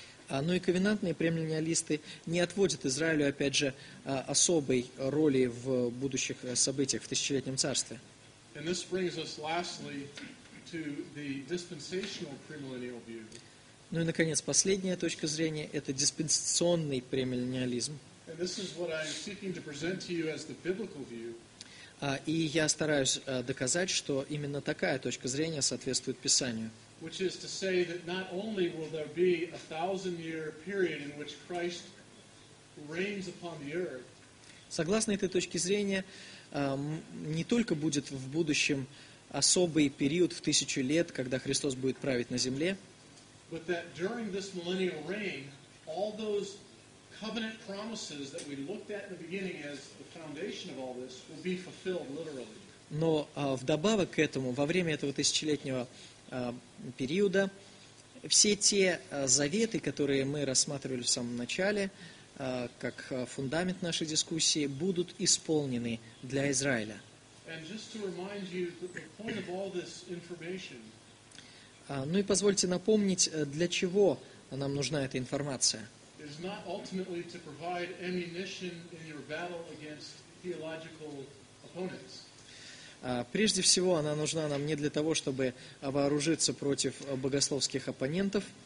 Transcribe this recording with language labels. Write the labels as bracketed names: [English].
[Russian] Ну и ковенантные премиллениалисты не отводят Израилю, опять же, особой роли в будущих событиях, в тысячелетнем царстве. [English] And this brings us lastly to the dispensational premillennial view. [Russian] Ну и, наконец, последняя точка зрения – это диспенсационный премиллениализм. [English] And this is what I'm seeking to present to you as the biblical view. [Russian] И я стараюсь доказать, что именно такая точка зрения соответствует Писанию. [English] Which is to say that not only will there be a thousand-year period in which Christ reigns upon the earth. [Russian] Согласно этой точке зрения, не только будет в будущем особый период в тысячу лет, когда Христос будет править на земле. [English] But that during this millennial reign, all those covenant promises that we looked at in the beginning as the foundation of all this will be fulfilled literally. [Russian] Но вдобавок к этому, во время этого тысячелетнего периода, все те заветы, которые мы рассматривали в самом начале, как фундамент нашей дискуссии, будут исполнены для Израиля. [English] And just to remind you, the point of all this information... [Russian] Ну и позвольте напомнить, для чего нам нужна эта информация. [English] Is not ultimately to provide ammunition in your battle against theological opponents. [Russian] Прежде всего, она нужна нам не для того, чтобы вооружиться против богословских оппонентов.